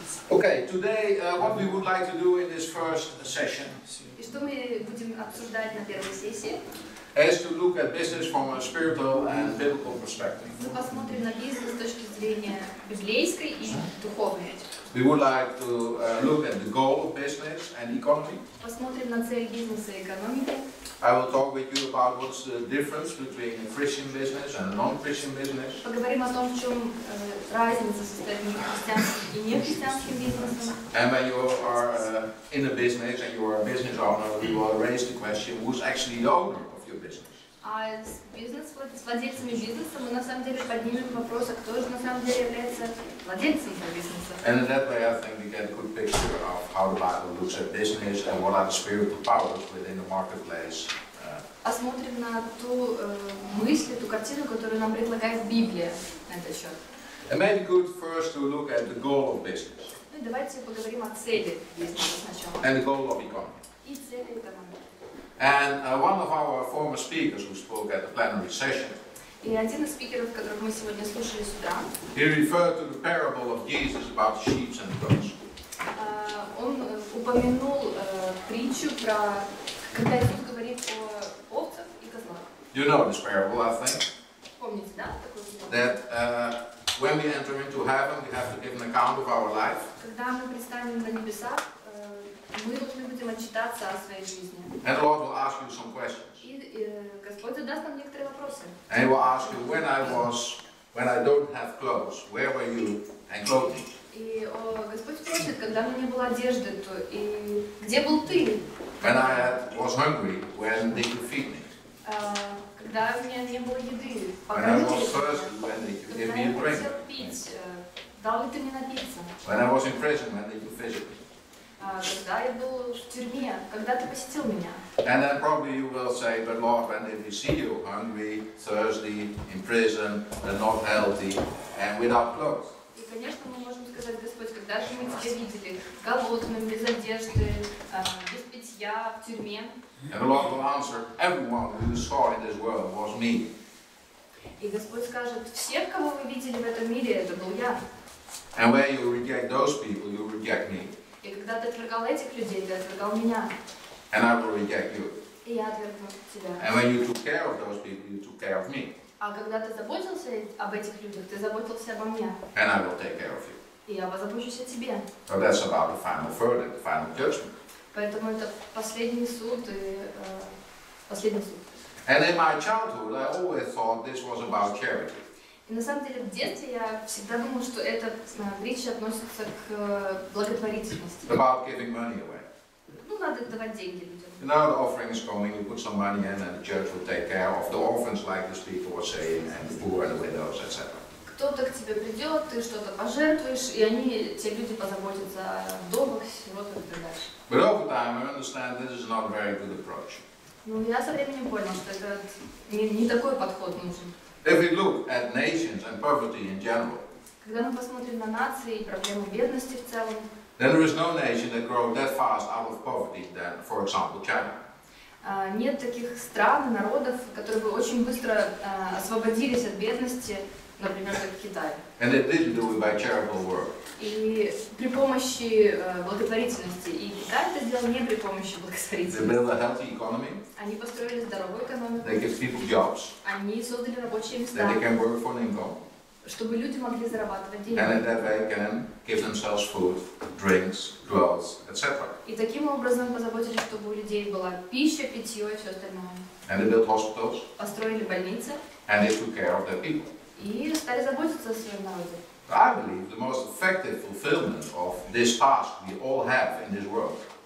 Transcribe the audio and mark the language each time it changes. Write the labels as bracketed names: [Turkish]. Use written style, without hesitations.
[English] Okay, today what we would like to do in this first session. [Russian] И что мы будем обсуждать на первой сессии? [English] Is to look at business from a spiritual and biblical perspective. [Russian] Мы посмотрим на бизнес с точки зрения библейской и духовной. [English] We would like to look at the goal of business and economy. [Russian] Посмотрим на цель бизнеса и экономики. [English] I will talk with you about what's the difference between a Christian business and a non-Christian business. [Russian] Поговорим о том, в чем разница между христианским и нехристианским бизнесом. [English] And when you are in a business and you are a business owner, we will raise the question, who's actually the owner? [Russian] А с владельцами бизнеса мы на самом деле поднимем вопрос, а кто же на самом деле является владельцем этого бизнеса. [English] And in that way, I think we get a good picture of how the Bible looks at business and what are the spiritual powers within the marketplace. [Russian] Посмотрим на ту мысль, ту картину, которую нам предлагает Библия на этот счет. [English] And maybe good first to look at the goal of business. [Russian] Ну и давайте поговорим о цели бизнеса сначала. [English] And the goal of economy. [Russian] И цели экономики. [English] And one of our former speakers who spoke at the plenary session. [Russian] И один из спикеров, которых мы сегодня слушали с утра. [English] He referred to the parable of Jesus about the sheep and the goats. [Russian] Он упомянул притчу про, когда Иисус говорит о овцах и козлах. [English] You know this parable, I think. [Russian] Помните, да, такой? [English] That when we enter into heaven, we have to give an account of our life. [Russian] Когда мы предстанем на небесах. Мы должны будем отчитаться о своей жизни. [English] And the Lord will ask you some questions. [Russian] И Господь задаст нам некоторые вопросы. [English] And he will ask you, when I don't have clothes, where were you and clothing? [Russian] И Господь спросит, когда у меня не было одежды, то и где был ты? [English] When I was hungry, when did you feed me? [Russian] Когда у меня не было еды, [English] when I was thirsty, when did you give me a drink? [Russian] Когда я хотел пить, дал ли ты мне напиться? [English] When I was in prison, when did you visit me? [Russian] Когда я был в тюрьме, когда ты посетил меня? [English] And then probably you will say, but Lord, when did we see you hungry, thirsty, in prison, and not healthy, and without clothes? [Russian] И конечно мы можем сказать, Господь, когда же мы тебя видели голодным, без одежды, без питья, в тюрьме? [English] And the Lord will answer, everyone who you saw in this world was me. [Russian] И Господь скажет, всех, кого вы видели в этом мире, это был я. [English] And when you reject those people, you reject me. [Russian] И когда ты отвергал этих людей, ты отвергал меня. [English] And I will reject you. [Russian] И я отвергну тебя. [English] And when you took care of those people, you took care of me. [Russian] А когда ты заботился об этих людях, ты заботился обо мне. [English] And I will take care of you. [Russian] И я позабочусь о тебе. [English] So that's about the final verdict, the final judgment. [Russian] Поэтому это последний суд и последний суд. [English] And in my childhood, I always thought this was about charity. [Russian] И на самом деле в детстве я всегда думал, что эта притча относится к благотворительности. [English] About giving money away. [Russian] Ну, надо давать деньги людям. [English] You know, the offering is coming, you put some money in, and the church will take care of the orphans, like these people were saying, and the poor and the widows, etc. [Russian] Кто-то к тебе придет, ты что-то пожертвуешь, и они, те люди, позаботятся о вдовах, сиротах и так далее. [English] But over time, I understand this is not a very good approach. [Russian] Ну, я со временем понял, что это не такой подход нужен. [English] If we look at nations and poverty in general, [Russian] когда мы посмотрим на нации и проблему бедности в целом, [English] then there is no nation that grows that fast out of poverty than, for example, China. [Russian] Нет таких стран, народов, которые бы очень быстро освободились от бедности, например, как Китай. [English] And they didn't do it by charitable work. [Russian] И при помощи благотворительности. И Китай это сделал не при помощи благотворительности. [English] They built a healthy economy. [Russian] Они построили здоровую экономику. [English] They give people jobs. [Russian] Они создали рабочие места. [English] That they can work for an income. [Russian] Чтобы люди могли зарабатывать деньги. [English] And in that way can give themselves food, drinks, clothes, etc. [Russian] И таким образом позаботились, чтобы у людей была пища, питье и все остальное. [English] And they built hospitals. [Russian] Построили больницы. [English] And they took care of their people. [Russian] И стали заботиться о своем народе. [English] I believe the most effective fulfillment of this task we all have in this world.